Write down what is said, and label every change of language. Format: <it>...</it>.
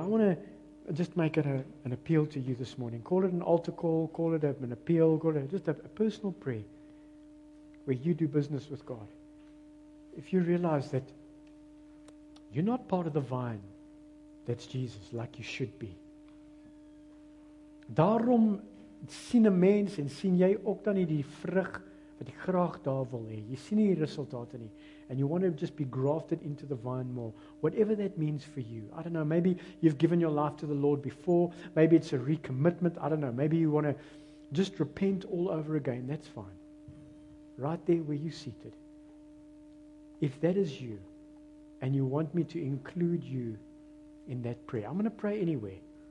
<en>I want to just make it an appeal to you this morning. Call it an altar call. Call it an appeal. Call it just a personal prayer where you do business with God. If you realize that you're not part of the vine that's Jesus like you should be.</en> <af>Daarom sien 'n mens en sien jy ook dan nie die vrug wat jy graag daar wil hê. Jy sien nie die resultate nie.</af> <en>And you want to just be grafted into the vine more. Whatever that means for you. I don't know, maybe you've given your life to the Lord before. Maybe it's a recommitment. I don't know, maybe you want to just repent all over again. That's fine. Right there where you're seated. If that is you, and you want me to include you in that prayer, I'm going to pray anywhere.</en>